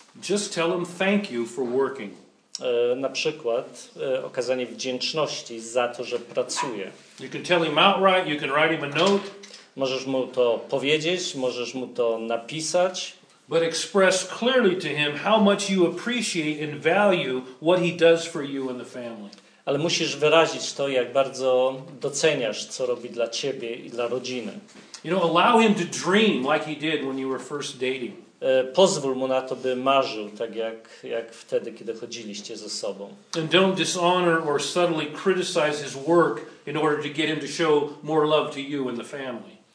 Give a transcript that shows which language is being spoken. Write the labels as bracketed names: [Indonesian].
[English] Just tell him thank you for working. [Polish] Na przykład okazanie wdzięczności za to, że pracuje. [English] You can tell him outright, you can write him a note. [Polish] Możesz mu to powiedzieć, możesz mu to napisać. [English] But express clearly to him how much you appreciate and value what he does for you and the family. [Polish] Ale musisz wyrazić to, jak bardzo doceniasz, co robi dla ciebie i dla rodziny. [English] You know, allow him to dream like he did when you were first dating. [Polish] Pozwól mu na to, by marzył, tak jak wtedy, kiedy chodziliście ze sobą. [English] And don't dishonor or subtly criticize his work in order to get him to show more love to you and the family.